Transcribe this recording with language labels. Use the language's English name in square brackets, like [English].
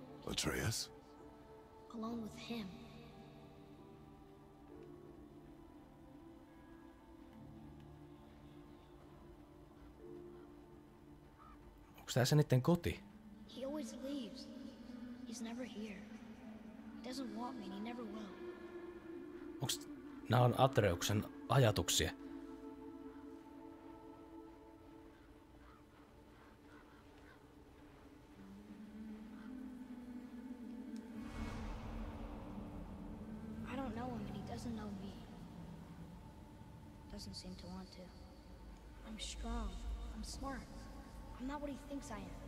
[English] Atreus? Alone with him. [Finnish] Onks tää se niitten koti? [English] He always leaves. He's never here. He doesn't want me and he never will. [Finnish] Onks... Nää on Atreuksen ajatuksia. [English] I don't know him and he doesn't know me. Doesn't seem to want to. I'm strong. I'm smart. I'm not what he thinks I am.